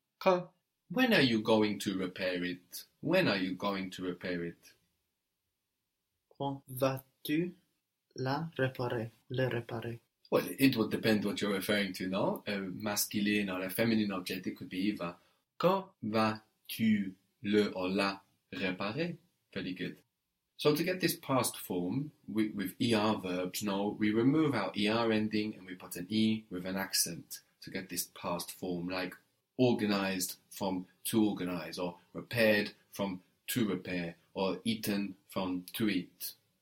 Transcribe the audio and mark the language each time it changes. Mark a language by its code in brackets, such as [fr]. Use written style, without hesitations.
[fr] Quand. [en] When are you going to repair it? When are you going to repair it? [fr] Quand vas-tu la réparer? Le réparer. [en] Well, it would depend what you're referring to, no? A masculine or a feminine object, it could be either. [fr] Quand vas-tu le ou la réparer? [en] Very good. So to get this past form with ER verbs, no, we remove our ER ending and we put an E with an accent to get this past form, like organized from to organize, or repaired from to repair, or eaten from to eat.